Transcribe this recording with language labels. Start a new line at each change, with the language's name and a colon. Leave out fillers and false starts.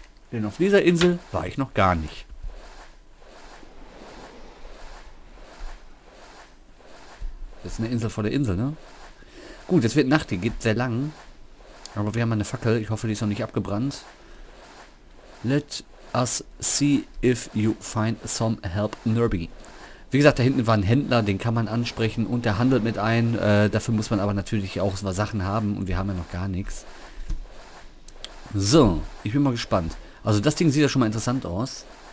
German: Denn auf dieser Insel war ich noch gar nicht. Das ist eine Insel vor der Insel, ne? Gut, es wird Nacht, die geht sehr lang. Aber wir haben eine Fackel. Ich hoffe, die ist noch nicht abgebrannt.
English: Let us see if you find some help, Nerby.
German: Wie gesagt, da hinten war ein Händler, den kann man ansprechen und der handelt mit ein. Dafür muss man aber natürlich auch so Sachen haben und wir haben ja noch gar nichts. So, ich bin mal gespannt. Also das Ding sieht ja schon mal interessant aus.